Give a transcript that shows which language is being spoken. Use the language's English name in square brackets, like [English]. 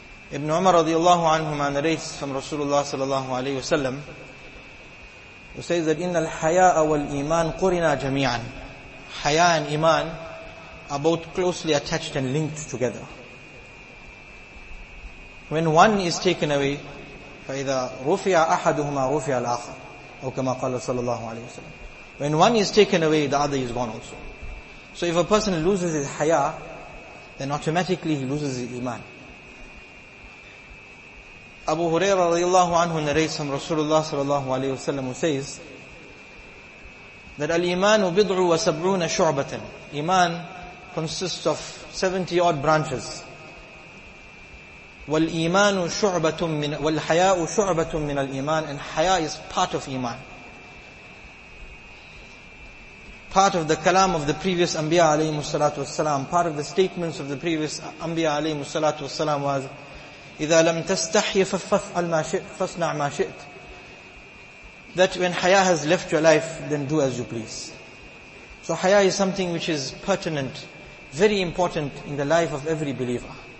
[English] Ibn Umar radiallahu anhuma narrates from Rasulullah sallallahu alayhi wa sallam, who says that [Arabic] إِنَّ الْحَيَاءَ وَالْإِيمَانَ قُرِنَا جَمِيعًا. [English] Haya and iman are both closely attached and linked together. When one is taken away, [Arabic] فَإِذَا رُفِعَ أَحَدُهُمَا رُفِعَ الْآخَرُ أَوْ كَمَا قَالَ صَلَى اللَّهُ عَلَيْهِ وَسَلَّمُ. [English] When one is taken away, the other is gone also. So if a person loses his haya, then automatically he loses his iman. Abu Huraira radiallahu anhu narrates from Rasulullah sallallahu alayhi wasallam, who says that [Arabic] al-imanu bid'u wa sab'una shu'batan. [English] Iman consists of 70 odd branches. [Arabic] والإيمان شعبة من والحياء شعبة من الإيمان. [English] And haya is part of iman. Part of the kalam of the previous Anbiya alayhi salatu wasalam, part of the statements of the previous Anbiya alayhi salatu wasalam was, [Arabic] إذا لم تستحي فافعل ما شئت [English] فاصنع ما شئت. That when haya has left your life, then do as you please. So haya is something which is pertinent, very important in the life of every believer.